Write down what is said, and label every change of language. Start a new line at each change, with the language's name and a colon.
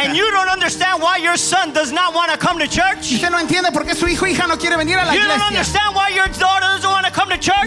English: And you don't understand why your son does not want to come to church.
Spanish: Y usted no entiende por qué su hijo o hija no quiere venir a la
English: you
Spanish: iglesia.
English: You don't understand why your daughter doesn't want to come to church.